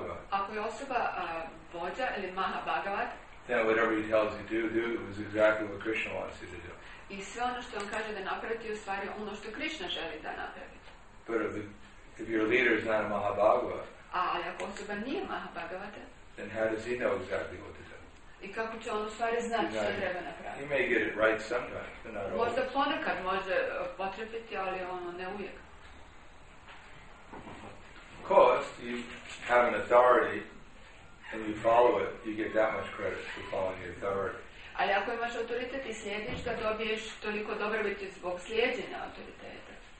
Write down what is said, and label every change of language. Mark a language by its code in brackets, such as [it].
[hr] Ako je osoba vođa ili Mahabhagavat, [en] then whatever he tells you to do, it was exactly what Krishna wants you to do. [hr] I sve ono što on kaže da napraviti je u stvari ono što Krishna želi da napraviti. [en] But if your leader is not a Mahabhagavat, [hr] ali ako osoba nije Mahabhagavata, [en] then how does he know exactly what to do? [hr] I kako će on u stvari znati što treba napraviti? [en] He may get it right sometimes, but not always. [hr] Možda ponekad može potrebiti, ali ono ne uvijek. [en] Of course, you have an authority and you follow it, you get that much credit for following the authority. [hr] Ali ako imaš autoritet i slijediš ga, dobiješ toliko dobrobiti zbog slijedjenja autoriteta.